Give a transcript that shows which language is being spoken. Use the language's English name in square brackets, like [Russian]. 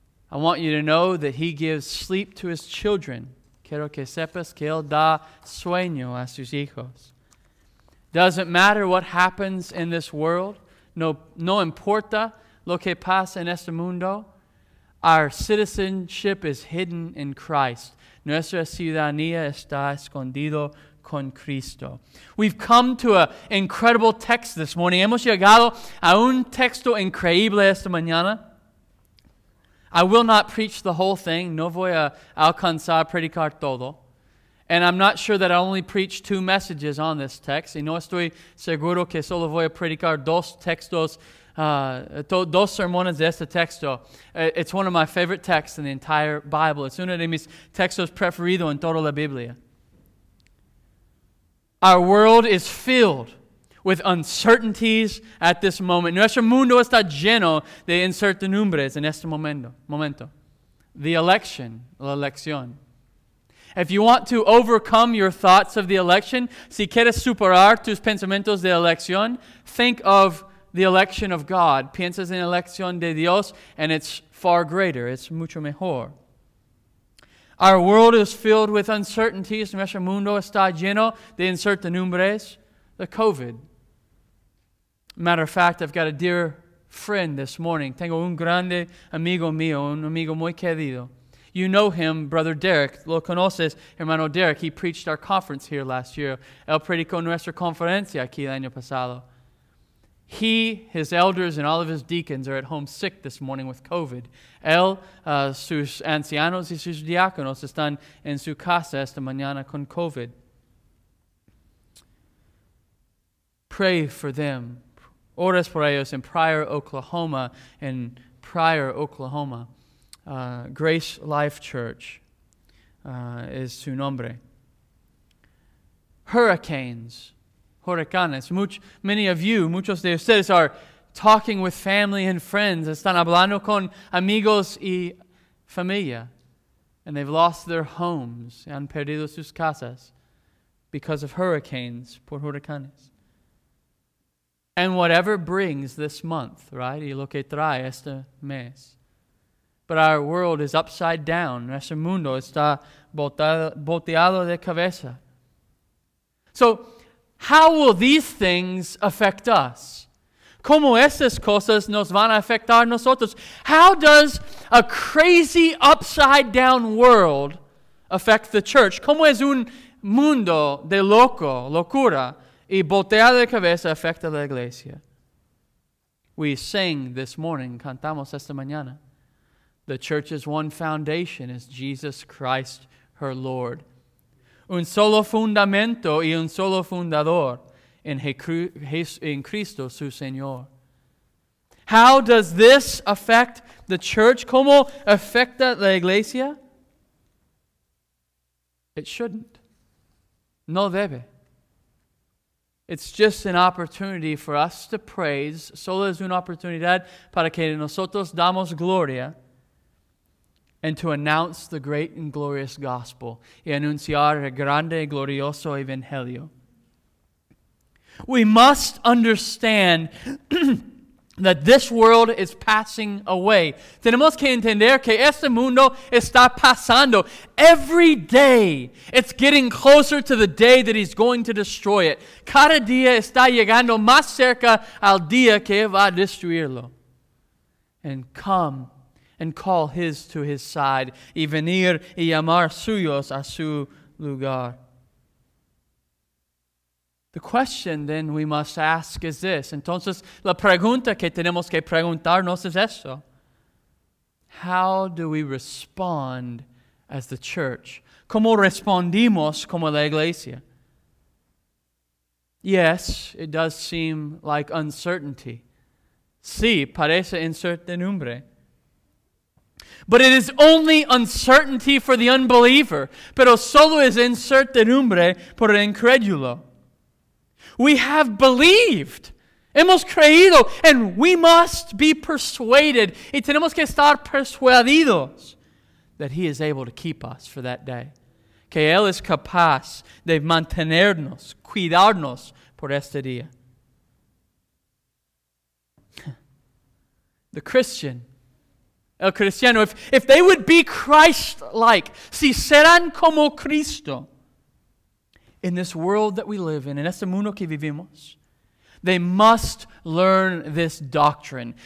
[English] I want you to know that he gives sleep to his children. [Spanish] Quiero que sepas que él da sueño a sus hijos. [English] Doesn't matter what happens in this world. [Spanish] No importa lo que pasa en este mundo. [English] Our citizenship is hidden in Christ. [Spanish] Nuestra ciudadanía está escondido con Cristo. [English] We've come to an incredible text this morning. [Spanish] Hemos llegado a un texto increíble esta mañana. [English] I will not preach the whole thing. [Spanish] No voy a alcanzar a predicar todo. [English] And I'm not sure that I only preach two messages on this text. [Spanish] Y no estoy seguro que solo voy a predicar dos sermones de este texto. [English] It's one of my favorite texts in the entire Bible. [Spanish] Es uno de mis textos preferidos en toda la Biblia. [English] Our world is filled with uncertainties at this moment. [Spanish] Nuestro mundo está lleno de incertidumbres en este momento. [English] The election, [Spanish] la elección. [English] If you want to overcome your thoughts of the election, [Spanish] si quieres superar tus pensamientos de elección, [English] think of the election of God. [Spanish] Piensas en la elección de Dios, [English] and it's far greater, it's [Spanish] mucho mejor. [English] Our world is filled with uncertainties. [Spanish] Nuestro mundo está lleno de incertidumbres. [English] The COVID. Matter of fact, I've got a dear friend this morning. [Spanish] Tengo un grande amigo mío, un amigo muy querido. [English] You know him, Brother Derek. [Spanish] Lo conoces, hermano Derek. [English] He preached our conference here last year. [Spanish] Él predicó nuestra conferencia aquí el año pasado. [English] He, his elders, and all of his deacons are at home sick this morning with COVID. [Spanish] Él, sus ancianos y sus diáconos están en su casa esta mañana con COVID. [English] Pray for them. [Spanish] Oras por ellos en Pryor, Oklahoma. [English] In Pryor, Oklahoma. Grace Life Church is [Spanish] su nombre. [English] Hurricanes. [Spanish] Huracanes. Muchos de ustedes [English] are talking with family and friends. [Spanish] Están hablando con amigos y familia. [English] And they've lost their homes. [Spanish] Han perdido sus casas. [English] Because of hurricanes. [Spanish] Por huracanes. [English] And whatever brings this month, right? [Spanish] Y lo que trae este mes. [English] But our world is upside down. [Spanish] Nuestro mundo está volteado de cabeza. [English] So, how will these things affect us? [Spanish] ¿Cómo esas cosas nos van a afectar nosotros? [English] How does a crazy upside down world affect the church? [Spanish] ¿Cómo es un mundo de loco, locura, y volteado de cabeza afecta la iglesia? [English] We sing this morning, [Spanish] cantamos esta mañana. [English] The church's one foundation is Jesus Christ, her Lord. [Spanish] Un solo fundamento y un solo fundador en Cristo su Señor. [English] How does this affect the church? [Spanish] ¿Cómo afecta la iglesia? [English] It shouldn't. [Spanish] No debe. [English] It's just an opportunity for us to praise. [Spanish] Solo es una oportunidad para que nosotros damos gloria. [English] And to announce the great and glorious gospel. [Spanish] Y anunciar el grande y glorioso evangelio. [English] We must understand that this world is passing away. [Spanish] Tenemos que entender que este mundo está pasando. [English] Every day, it's getting closer to the day that he's going to destroy it. [Spanish] Cada día está llegando más cerca al día que va a destruirlo. [English] And come and call his to his side, [Spanish] y venir y llamar suyos a su lugar. [English] The question then we must ask is this. [Spanish] Entonces, la pregunta que tenemos que preguntarnos es esto. [English] How do we respond as the church? [Spanish] ¿Cómo respondimos como la iglesia? [English] Yes, it does seem like uncertainty. [Spanish] Sí, parece incertidumbre. [English] But it is only uncertainty for the unbeliever. [Spanish] Pero solo es incertidumbre por el incrédulo. [English] We have believed. [Spanish] Hemos creído. [English] And we must be persuaded. [Spanish] Y tenemos que estar persuadidos [English] that he is able to keep us for that day. [Spanish] Que él es capaz de mantenernos, cuidarnos por este día. [English] The Christian. [Spanish] El cristiano, [English] if they would be Christ-like, [Spanish] si serán como Cristo, [English] in this world that we live in [Spanish] este mundo que vivimos, [English] they must learn this doctrine.